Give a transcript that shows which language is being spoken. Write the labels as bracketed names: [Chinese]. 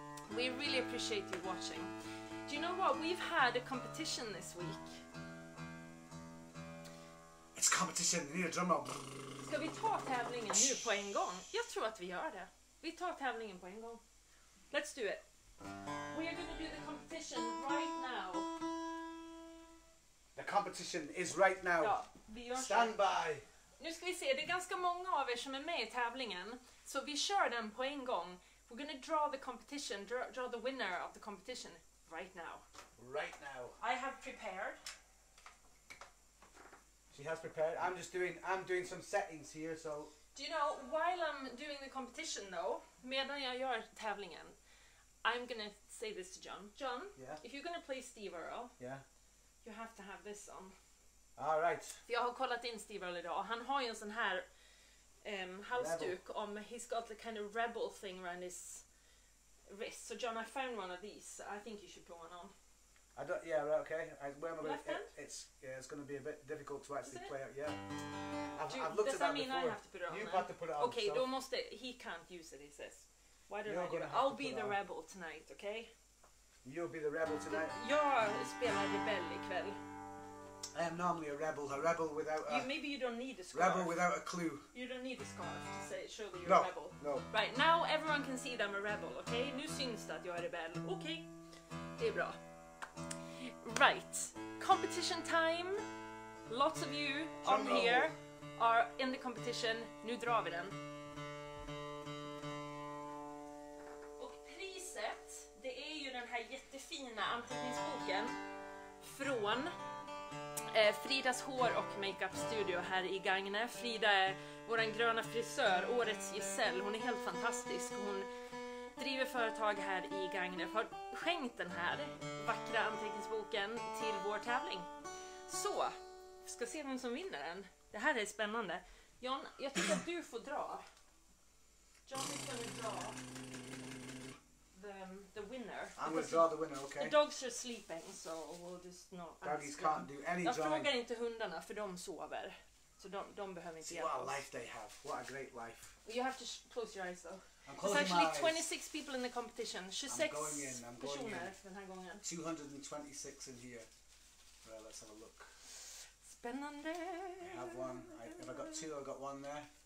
[English] We really appreciate you watching. Do you know what? We've had a competition this week. It's competition. [Swedish] Ni är drömmar. Ska vi ta tävlingen nu på en gång? Jag tror att vi gör det. Vi tar tävlingen på en gång. [English] Let's do it. We are going to do the competition right now. The competition is right now. [Swedish] Ja. [English] Stand by. [Swedish] Nu ska vi se, det är ganska många av er som är med i tävlingen. Så vi kör den på en gång. [English] We're gonna draw the competition, draw the winner of the competition right now. Right now. I have prepared. She has prepared. I'm doing some settings here, so. Do you know, while I'm doing the competition though, [Swedish] medan jag gör tävlingen, [English] I'm gonna say this to John. John, yeah. If you're gonna play Steve Earle, yeah. You have to have this on. All right. [Swedish] Jag har kollat in Steve Earle idag. Han har ju en sån här halsduk [English] rebel. Om he's got the kind of rebel thing around his wrist. So John, I found one of these. I think you should put one on. I don't. Yeah. Right. Okay. Where am I left gonna, hand. It's going to be a bit difficult to actually play it. Yeah. Does that mean before. I have to put it on? You've got to put it on. Okay. So. He can't use it. He says. Why don't I do it? I'll be the on. Rebel tonight. Okay. You'll be the rebel tonight. [Swedish] Jag spelar rebell ikväll. [English] I am normally a rebel without a... Maybe you don't need a scarf. Rebel without a clue. You don't need a scarf to say, show that you're no, a rebel. No, right, now everyone can see that I'm a rebel, okay? [Swedish] Nu syns det att jag är rebell. Okej, det är bra. [English] Right, competition time. Lots of you on here are in the competition. [Swedish] Nu drar vi den. Och priset, det är ju den här jättefina anteckningsboken från... Fridas hår- och makeup-studio här i Gagne. Frida är vår gröna frisör, årets gisell. Hon är helt fantastisk. Hon driver företag här i Gagne. Har skänkt den här vackra anteckningsboken till vår tävling. Så, ska se vem som vinner den. Det här är spännande. John, jag tycker att du får dra. John, du kan dra [English] the winner. I'm gonna draw the winner, okay. The dogs are sleeping, so we'll just not. Doggies can't do any drawing. [Swedish] Jag frågar inte hundarna, för de sover. Så de behöver inte hjälp. [English] See what a life they have. What a great life. You have to close your eyes, though. I'm closing my eyes. There's actually 26 people in the competition. 26 I'm going in. I'm going in. 226 in here. Well, let's have a look. [Swedish] Spännande. [English] I have one. If I got two, I've got one there.